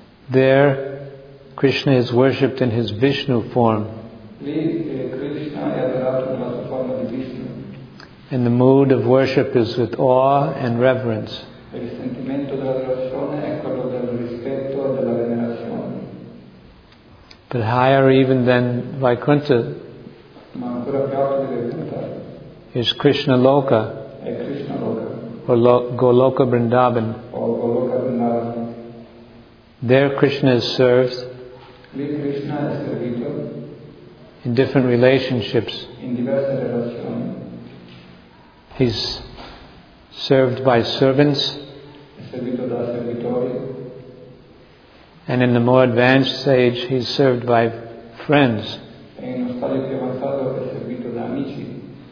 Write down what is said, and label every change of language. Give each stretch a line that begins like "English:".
English: There, Krishna is worshipped in his Vishnu form.
Italian: Lì, Krishna è adorato nella sua forma di Vishnu.
English: And the mood of worship is with awe and reverence.
Italian: Il sentimento dell'adorazione è quello del rispetto e della venerazione.
English: But higher even than Vaikuntha.
Italian: Ma ancora più alto di Vaikuntha.
English: Is Krishna Loka,
Italian: Krishna Loka.
English: Or Goloka Vrindavan.
Italian: Or Goloka Vrindavan.
English: There Krishna is served.
Italian: Lì Krishna è servito.
English: In different relationships.
Italian: In diverse relazioni.
English: He's served by servants.
Italian: È servito da servitori.
English: And in the more advanced stage, he's served by friends.
Italian: E in uno stadio più avanzato è servito da amici.